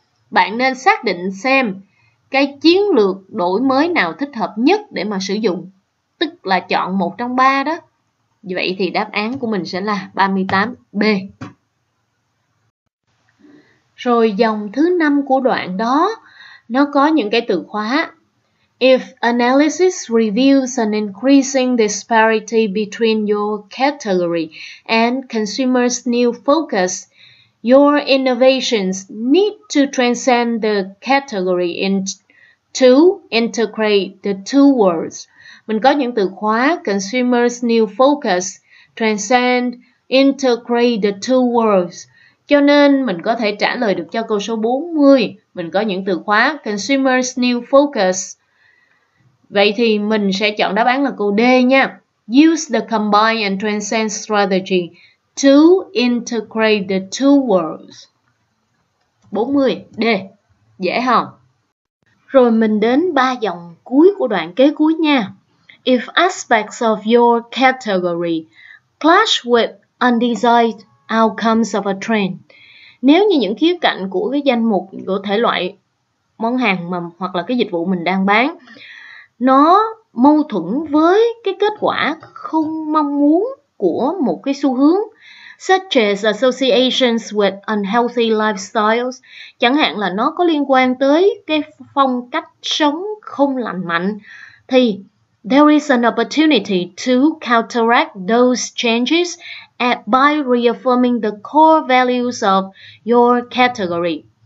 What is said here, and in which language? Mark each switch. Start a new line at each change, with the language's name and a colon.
Vietnamese: Bạn nên xác định xem cái chiến lược đổi mới nào thích hợp nhất để mà sử dụng, tức là chọn một trong ba đó. Vậy thì đáp án của mình sẽ là 38B. Rồi dòng thứ 5 của đoạn đó, nó có những cái từ khóa.
English: If analysis reveals an increasing disparity between your category and consumers' new focus, your innovations need to transcend the category to integrate the two worlds.
Vietnamese: Mình có những từ khóa consumers' new focus, transcend,
English: integrate the two worlds.
Vietnamese: Cho nên mình có thể trả lời được cho câu số 40. Mình có những từ khóa consumers' new focus. Vậy thì mình sẽ chọn đáp án là câu D nha.
English: Use the combine and transcend strategy to integrate the two worlds.
Vietnamese: 40, D. Dễ không? Rồi mình đến ba dòng cuối của đoạn kế cuối nha.
English: If aspects of your category clash with undesired outcomes of a trend.
Vietnamese: Nếu như những khía cạnh của cái danh mục của thể loại món hàng mà hoặc là cái dịch vụ mình đang bán nó mâu thuẫn với cái kết quả không mong muốn của một cái xu hướng,
English: such as associations with unhealthy lifestyles,
Vietnamese: chẳng hạn là nó có liên quan tới cái phong cách sống không lành mạnh, thì
English: there is an opportunity to counteract those changes by reaffirming the core values of your category.